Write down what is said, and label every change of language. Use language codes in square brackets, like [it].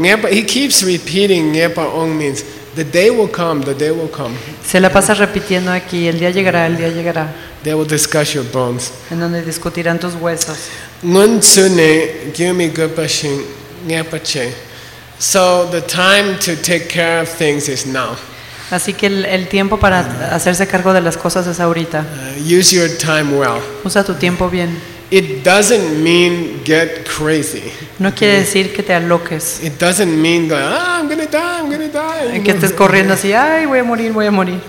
[en] He keeps repeating Nyepa Ong means the day will come, the day will come. [es] Se la pasa repitiendo aquí, el día llegará, el día llegará. [en] They will discuss your bones. [es] En donde discutirán tus huesos. [bo] Ngun tsune gyumi gupa shing Nyepa che. [en] So the time to take care of things is now. [es] Así que el tiempo para hacerse cargo de las cosas es ahorita. [en] Use your time well. [es] Usa tu tiempo bien. [en] It doesn't mean get crazy. [es] No quiere decir que te aloques. [en] It doesn't mean go, I'm gonna die. [es] En que estés corriendo así, ay, voy a morir.